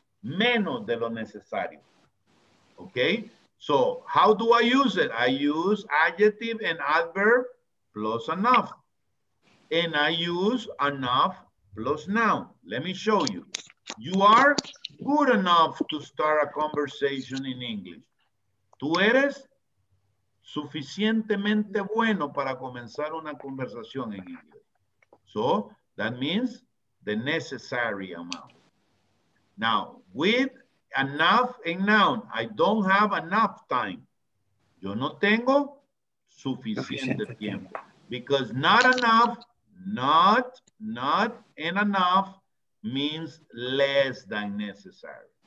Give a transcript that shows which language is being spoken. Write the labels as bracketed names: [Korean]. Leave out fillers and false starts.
[Spanish] Menos de lo necesario. Okay? [English] So, how do I use it? I use adjective and adverb plus enough. And I use enough plus noun. Let me show you. You are good enough to start a conversation in English. [Spanish] Tú eres suficientemente bueno para comenzar una conversación en inglés. [English] So, that means the necessary amount. Now, with enough and noun, I don't have enough time. [Spanish] Yo no tengo suficiente tiempo. [English] Because not enough, not and enough means less than necessary.